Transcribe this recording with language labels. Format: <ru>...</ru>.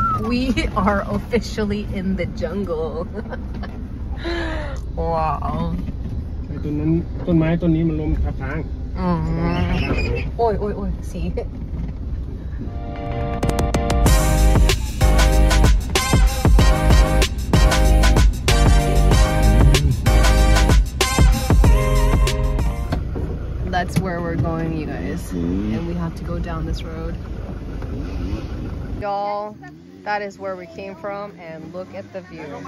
<en>We are officially in the jungle. wow.</en> <th>ต้นนั้นต้นไม้ต้นนี้มันล้มทับทาง</th> <en>โอ้ย โอ้ย โอ้ย สี That's where we're going, you guys. And we have to go down this road. Y'all. That is where we came from, and look at the view.</en>